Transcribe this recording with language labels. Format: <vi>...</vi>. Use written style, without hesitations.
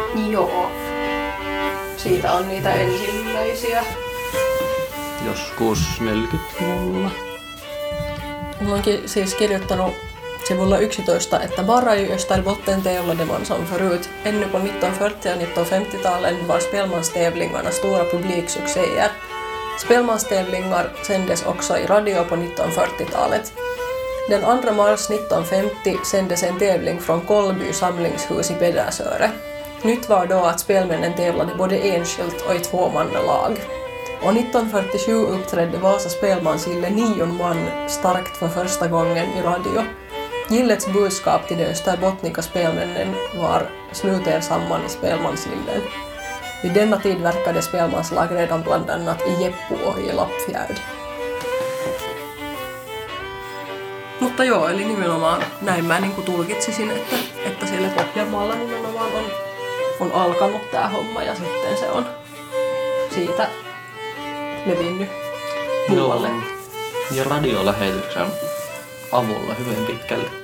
<fi>Joo. Siitä on niitä ensimmäisiä. Joskus 40-luvulla. Mä oonkin siis kirjoittanut sivulla 11, että Varaj Östal Botten teolla demon som förut.</fi> <sv>Ännu på 1940- ja 1950-talen var spelmanstävlingarna stora publiksuccéer. Spelmanstävlingar sändes också i radio på 1940-talet. Den 2 mars 1950 sändes en tävling från Kolby samlingshus i Pedersöre. Nytt var då att spelmännen tävlade både enskilt och i tvåmannalag. Och 1947 uppträdde Vasa spelmansgille 9 man starkt för första gången i radio. Gillets budskap till de österbottniska spelmännen var slut er samman i spelmansgillen. Vid denna tid verkade spelmanslag redan bland annat i Jeppo och i Lappfjärd.</sv> <fi>Mutta joo, eli nimenomaan näin mä niin kuin tulkitsisin, että siellä Pohjanmaalla nimenomaan on alkanut tää homma ja sitten se on siitä levinnyt muualle. Ja radiolähetyksen avulla hyvin pitkälle.</fi>